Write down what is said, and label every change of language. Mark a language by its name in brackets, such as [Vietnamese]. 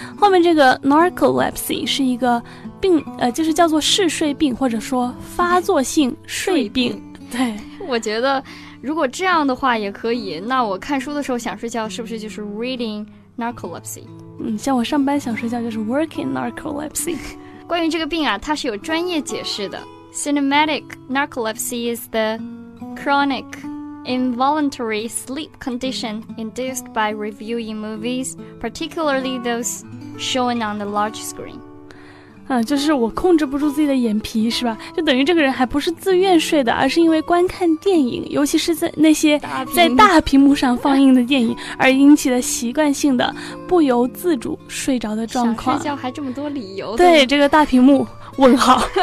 [Chinese] 后面这个 narcolepsy 是一个病，就是叫做嗜睡病，或者说发作性睡病。对，我觉得如果这样的话也可以，那我看书的时候想睡觉是不是就是 reading narcolepsy？像我上班想睡觉就是 working narcolepsy。关于这个病啊，它是有专业解释的。 [English] Cinematic narcolepsy is the chronic involuntary sleep condition induced by reviewing movies, particularly those shown on the large screen。 [Chinese] 就是我控制不住自己的眼皮是吧，就等于这个人还不是自愿睡的，而是因为观看电影，尤其是在那些在大屏幕上放映的电影，而引起的习惯性的不由自主睡着的状况。想睡觉还这么多理由。对这个大屏幕问号。